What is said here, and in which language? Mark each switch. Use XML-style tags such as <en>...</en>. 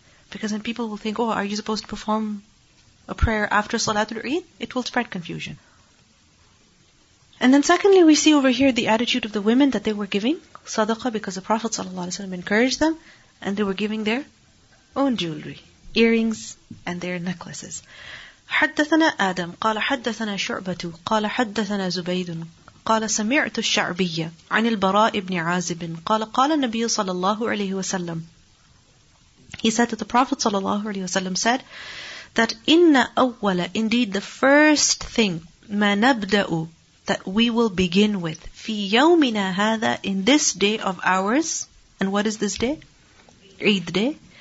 <en>Because then people will think, oh, are you supposed to perform a prayer after Salatul Eid? It will spread confusion. And then secondly, we see over here the attitude of the women that they were giving sadaqah because the Prophet ﷺ encouraged them, and they were giving their own jewelry, earrings and their necklaces.</en> <ar>حدثنا آدم قال حدثنا شعبة قال حدثنا زبيد قال سمعت الشعبية عن البراء بن عازب قال قال النبي صلى الله عليه وسلم</ar> <en>He said that the Prophet ﷺ said that inna awwala, indeed the first thing, ma nabda'u, that we will begin with, fi yawmina hadha, in this day of ours. And what is this day? Eid day.</en>